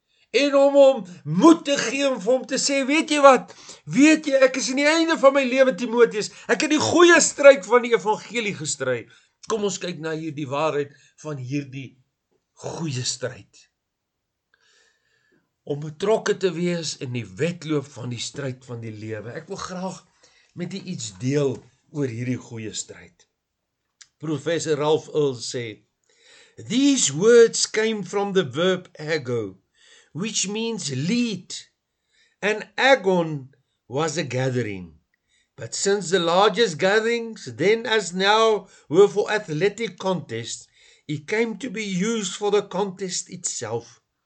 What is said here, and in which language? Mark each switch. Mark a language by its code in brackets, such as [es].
[af] En om hom moed te gee om vir hom te sê, weet jy wat, weet jy, ek is in die einde van my lewe, Timoteus. Ek het die goeie stryd van die evangelie gestry. Kom ons kyk na hierdie waarheid van hierdie goeie stryd. Om betrokke te wees in die wedloop van die stryd van die lewe. Ek wil graag met u iets deel oor hierdie goeie stryd. [en] Professor Ralph Ulls sê, "These words came from the verb ego, which means lead, and agon was a gathering. But since the largest gatherings, then as now, were for athletic contests, it came to be used for the contest itself.